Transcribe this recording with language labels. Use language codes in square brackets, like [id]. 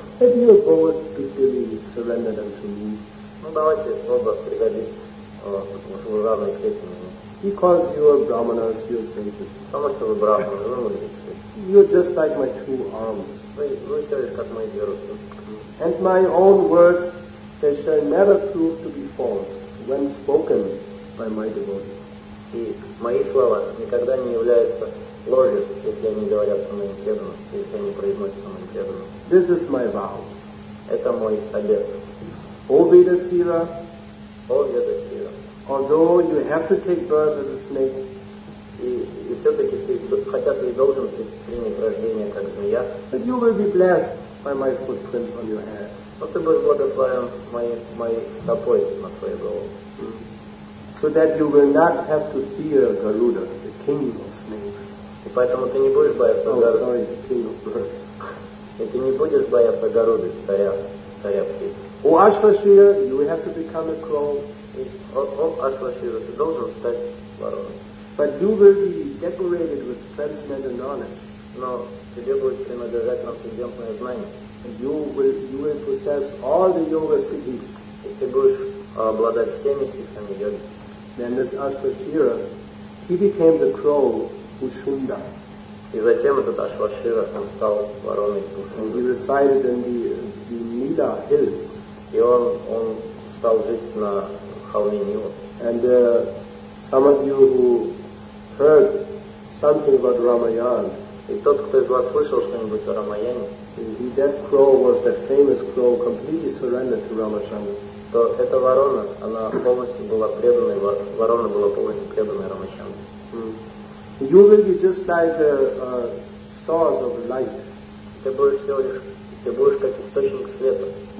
[en] have you both completely surrendered unto me? [ru] Ну давайте оба пригодитесь в равной степени. [en] Because you are brahmanas, you are sages. [ru] Потому что вы брахманы, вы мудрецы. [en] You are just like my two arms. [ru] Вы все лишь как мои две руки. [en] And my own words, they shall never prove to be false when spoken by my devotee. [ru] И мои слова никогда не являются ложью, если они говорят о моем преданном, если они произносят о моем преданном. [en] This is my vow. [ru] Это мой обет. [en] О Видасира, although you have to take birth as a snake, [ru] и все-таки ты, хотя ты и должен принять рождение как змея, [en] but you will be blessed by my footprints on your head. [ru] Но ты будешь благословен моей стопой на своей голове. Mm-hmm. [en] So that you will not have to fear Garuda, the king of snakes. [ru] И поэтому ты не будешь бояться [en] Garuda. Oh, sorry, the king of birds. [ru] И ты не будешь бояться Гаруды, царя птиц. [en] О, Ашвашира, you will have to become a crow. [ru] О, Ашвашира, ты должен стать вороной. [en] But you will be decorated with transcendental knowledge. [ru] Но тебе будет принадлежать трансцендентное знание. [en] And you will possess all the yoga siddhis. [ru] И ты будешь обладать всеми сиддхами йоги. [en] Then this Ашвашира, he became the crow Ушунда. [ru] И затем этот Ашвашира, он стал вороной. [en] He resided in the Nila Hill. [ru] И он стал жить на холме Нила. [en] And some of you who heard something about Ramayana. [ru] И тот, кто из вас слышал что-нибудь о Рамаяне. [en] That crow was that famous crow, completely surrendered to Ramachandra. [ru] То эта ворона, она полностью была преданной, ворона была полностью преданной Рамачандре. [en] You will be just like the source of light. [ru] Ты будешь как источник света.